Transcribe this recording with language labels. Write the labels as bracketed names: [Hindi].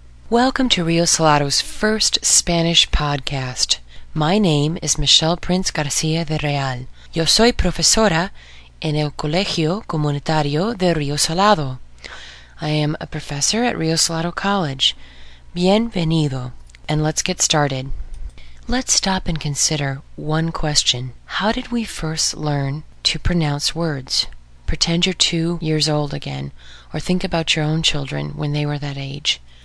[English] Welcome to Rio Salado's first Spanish podcast. My name is Michelle Prince Garcia de Real. [Spanish] Yo soy profesora en el Colegio Comunitario de Rio Salado. [English] I am a professor at Rio Salado College. [Spanish] Bienvenido. [English] And let's get started. Let's stop and consider one question. How did we first learn to pronounce words? Pretend you're 2 years old again, or think about your own children when they were that age.